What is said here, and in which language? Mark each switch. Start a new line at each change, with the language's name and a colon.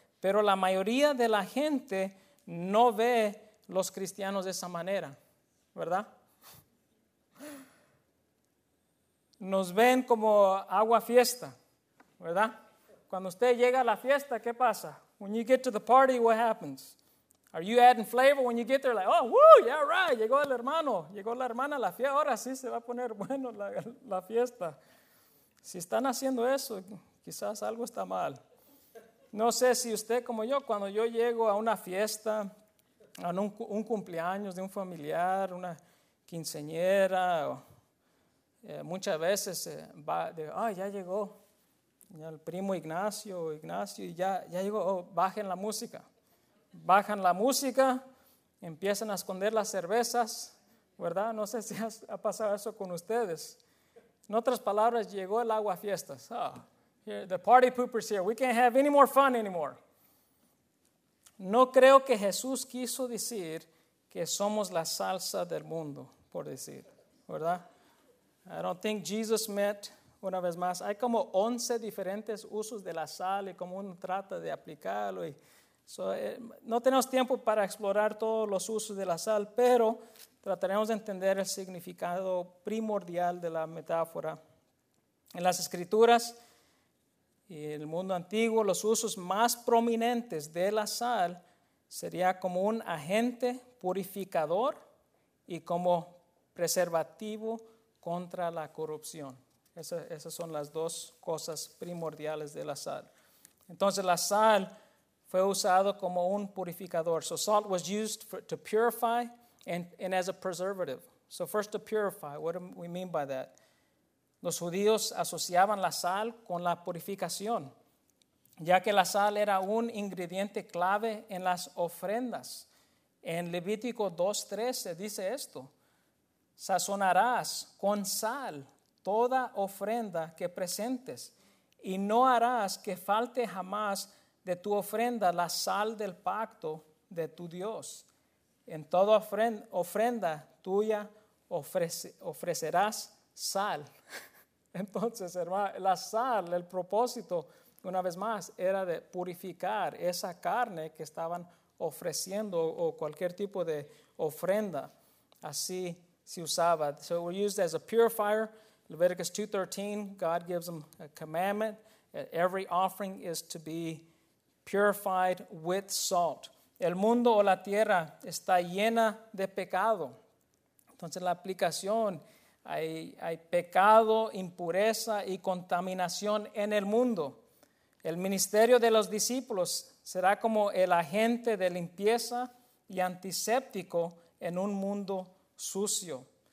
Spanish: Pero la mayoría de la gente no ve los cristianos de esa manera, ¿verdad? Nos ven como agua fiesta, ¿verdad? Cuando usted llega a la fiesta, ¿qué pasa?
English: When you get to the party, what happens? Are you adding flavor when you get there? Like, oh, woo, yeah, right.
Spanish: Llegó el hermano, llegó la hermana, la fiesta. Ahora sí se va a poner bueno la fiesta. Si están haciendo eso, quizás algo está mal. No sé si usted como yo, cuando yo llego a una fiesta, a un cumpleaños de un familiar, una quinceañera, muchas veces va, ya llegó. El primo Ignacio, ya llegó, bajen la música. Bajan la música, empiezan a esconder las cervezas, ¿verdad? No sé si ha pasado eso con ustedes. En otras palabras, llegó el agua fiestas.
English: The party pooper's here. We can't have any more fun anymore.
Spanish: No creo que Jesús quiso decir que somos la salsa del mundo, por decir, ¿verdad?
English: I don't think Jesus meant,
Spanish: una vez más, hay como 11 diferentes usos de la sal y cómo uno trata de aplicarlo. No tenemos tiempo para explorar todos los usos de la sal, pero trataremos de entender el significado primordial de la metáfora. En las escrituras y en el mundo antiguo, los usos más prominentes de la sal sería como un agente purificador y como preservativo contra la corrupción. Esas son las dos cosas primordiales de la sal. Entonces, la sal fue usado como un purificador.
English: So salt was used to purify and as a preservative. So first to purify, what do we mean by that?
Spanish: Los judíos asociaban la sal con la purificación, ya que la sal era un ingrediente clave en las ofrendas. En Levítico 2:13 dice esto: sazonarás con sal toda ofrenda que presentes, y no harás que falte jamás de tu ofrenda la sal del pacto de tu Dios. En toda ofrenda tuya ofrecerás sal. Entonces, hermano, la sal, el propósito, una vez más, era de purificar esa carne que estaban ofreciendo o cualquier tipo de ofrenda. Así se usaba.
English: So we used as a purifier. Leviticus 2:13, God gives them a commandment. Every offering is to be purified with salt.
Spanish: El mundo o la tierra está llena de pecado. Entonces la aplicación, hay pecado, impureza y contaminación en el mundo. El ministerio de los discípulos será como el agente de limpieza y antiséptico en un mundo sucio.